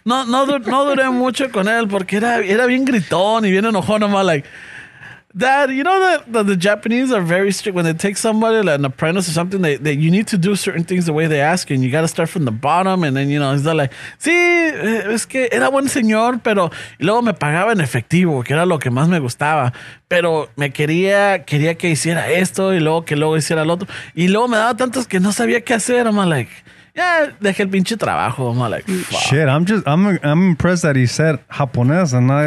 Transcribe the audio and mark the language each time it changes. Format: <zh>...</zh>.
<es>No duré mucho con él porque era bien gritón y bien enojón.</es> <en>I'm like, Dad, you know that the Japanese are very strict. When they take somebody, like an apprentice or something, they you need to do certain things the way they ask you. And you got to start from the bottom.</en> <es>And then, you know, he's like, sí, es que era buen señor, pero y luego me pagaba en efectivo, que era lo que más me gustaba. Pero me quería que hiciera esto y luego que luego hiciera lo otro. Y luego me daba tantos que no sabía qué hacer.</es> <en>I'm like, yeah, dejé el pinche trabajo. I'm like, fuck. Shit, I'm impressed that he said japonés and not</en>